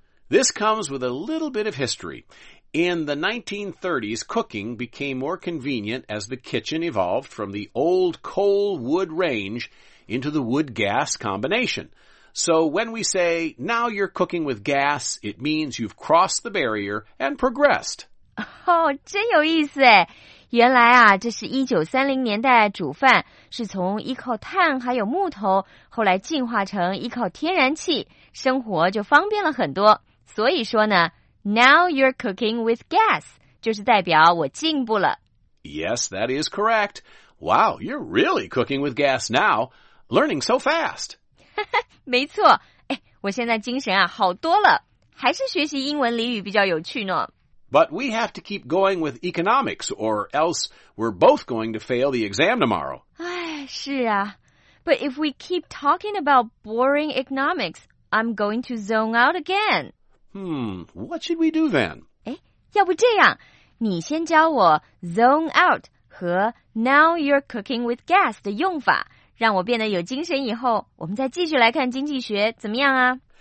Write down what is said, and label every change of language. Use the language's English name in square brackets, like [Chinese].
[English] This comes with a little bit of history. In the 1930s, cooking became more convenient as the kitchen evolved from the old coal-wood range into the wood-gas combination. So when we say, now you're cooking with gas, it means you've crossed the barrier and progressed. [Chinese] 真有意思诶。原来啊，这是1930年代煮饭是从依靠碳还有木头，后来进化成依靠天然气，生活就方便了很多。所以说呢， [English] Now you're cooking with gas, [Chinese] 就是代表我进步了。 [English] Yes, that is correct. Wow, you're really cooking with gas now, learning so fast. [Chinese] 没错，我现在精神啊好多了，还是学习英文俚语比较有趣呢。 [English] But we have to keep going with economics, or else we're both going to fail the exam tomorrow. [Chinese] 哎，是啊。 [English] But if we keep talking about boring economics, I'm going to zone out again. What should we do then? [Chinese] 哎，要不这样，你先教我 zone out 和 [English] now you're cooking with gas [Chinese] 的用法，让我变得有精神以后，我们再继续来看经济学，怎么样啊？